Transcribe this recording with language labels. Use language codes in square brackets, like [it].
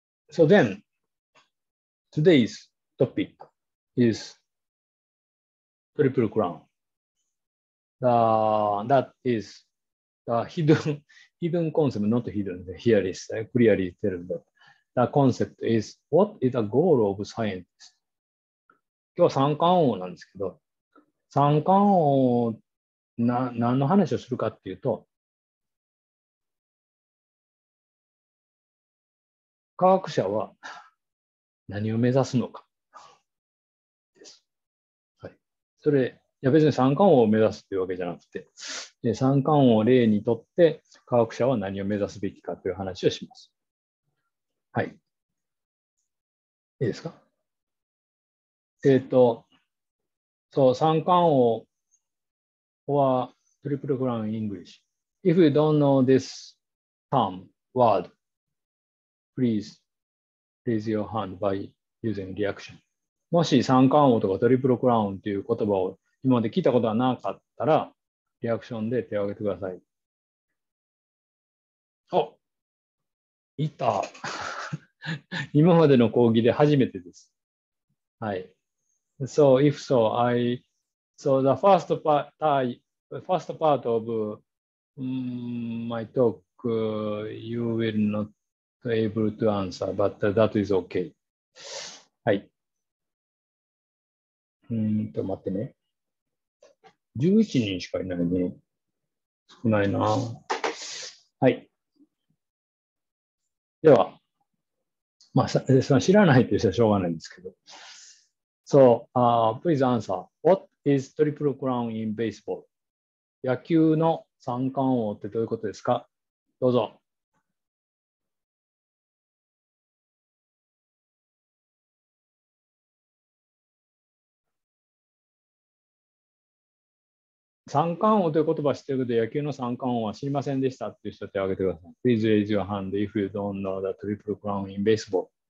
[en] So then, today's topic is triple crown. That is the hidden concept, not hidden, here is clearly stated. The concept is what is the goal of scientists? [ja] 今日は三冠王なんですけど、三冠王な、何の話をするかっていうと、科学者は何を目指すのかです。はい。それ、いや別に三冠王を目指すというわけじゃなくて、三冠王を例にとって、科学者は何を目指すべきかという話をします。はい。いいですか？ [en] そう、三冠王 or triple crown in English. If you don't know this term, word, please raise your hand by using reaction. [ja] もし三冠王とかトリプルクラウンという言葉を今まで聞いたことがなかったら、リアクションで手を挙げてください。お、いた。今までの講義で初めてです。 [en] はい。So, if so, I... So, the first part, first part of my talk, you will not able to answer, but that is okay. [ja] はい。待ってね。11人しかいないね。少ないな。はい。では、まあ、その知らないという人はしょうがないんですけど。 [en] So, please answer. What is triple crown in baseball? [ja] 野球の三冠王ってどういうことですか？どうぞ。三冠王という言葉を知っているけど、野球の三冠王は知りませんでしたという人は手を挙げてください。 [en] Please raise your hand if you don't know the triple crown in baseball.